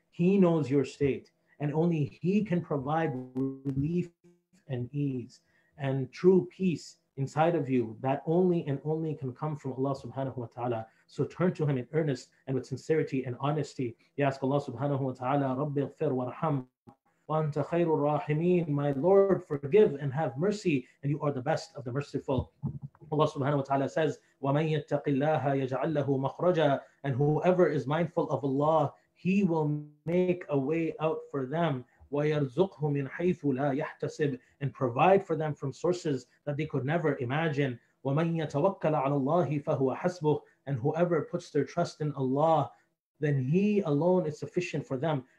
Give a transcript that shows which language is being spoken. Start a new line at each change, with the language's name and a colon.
English: He knows your state, and only He can provide relief and ease and true peace inside of you, that only and only can come from Allah subhanahu wa ta'ala. So turn to Him in earnest and with sincerity and honesty. We ask Allah subhanahu wa ta'ala,
Arabic: رَبِّ اغْفِرْ وَارْحَمْ وَأَنْتَ خَيْرُ الرَّاحِمِينَ,
English: my Lord, forgive and have mercy, and you are the best of the merciful.
Arabic: Allah subhanahu wa ta'ala says, وَمَنْ يَتَّقِ اللَّهَ يَجْعَلْ لَهُ مَخْرَجًا.
English: And whoever is mindful of Allah, He will make a way out for them.
Arabic: وَيَرْزُقْهُ مِنْ حَيْثُ لَا يَحْتَسِبْ.
English: And provide for them from sources that they could never imagine.
Arabic: وَمَنْ يَتَوَكَّلَ عَلَى اللَّهِ فَهُوَ حَسْبُهُ.
English: And whoever puts their trust in Allah, then He alone is sufficient for them.